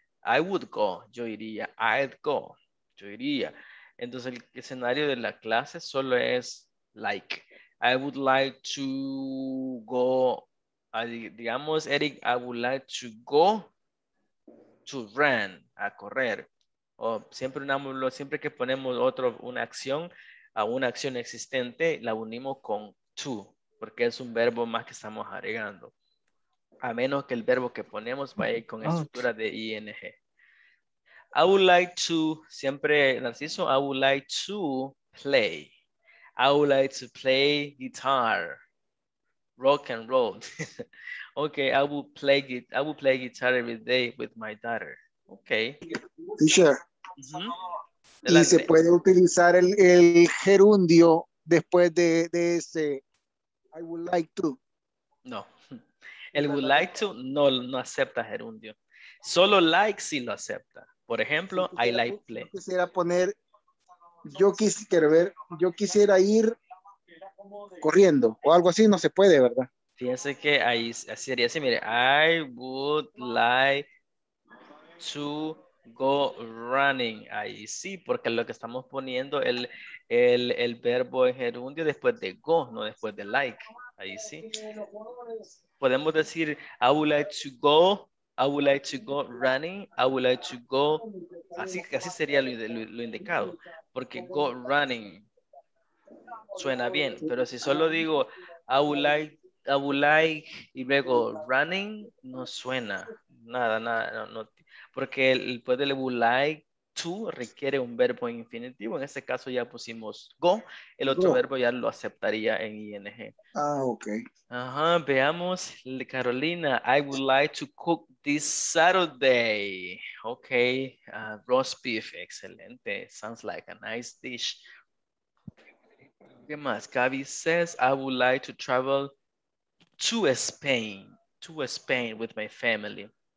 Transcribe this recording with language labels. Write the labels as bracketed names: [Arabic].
[English] I would go, [Spanish] yo iría, [English] I'd go, yo iría. [Spanish] Entonces el escenario de la clase solo es like. [English] I would like to go, digamos, Eric, I would like to go to run, [Spanish] a correr. O siempre que ponemos una acción existente, la unimos con to, porque es un verbo más que estamos agregando. A menos que el verbo que ponemos vaya con estructura de ing. [English] I would like to, siempre Narciso, I would like to play. I would like to play guitar, rock and roll. Okay, I would play guitar every day with my daughter. Okay. [Spanish] Sure. Mm-hmm. Y se puede utilizar el gerundio después de ese I would like to. No. El would like to no acepta gerundio. Solo like sí lo acepta. Por ejemplo, [English] I like play. [Spanish] Quisiera poner, yo quisiera ir corriendo o algo así, no se puede, ¿verdad? Fíjense que ahí sería así, mire, [English] I would like to go running. [Spanish] Ahí sí, porque lo que estamos poniendo el verbo en gerundio después de go, no después de like. Ahí sí. Podemos decir, [English] I would like to go, I would like to go running, I would like to go. [Spanish] Así sería lo indicado, porque go running suena bien, pero si solo digo, I would like, y luego running, no suena nada, no, porque el poder del would like to requiere un verbo en infinitivo. En este caso ya pusimos go, el otro verbo ya lo aceptaría en ing. Ah, ok. Ajá, veamos, [English] Carolina, I would like to cook this Saturday. Ok, roast beef, excelente, sounds like a nice dish. [Spanish] ¿Qué más? [English] Gaby says, I would like to travel to Spain with my family.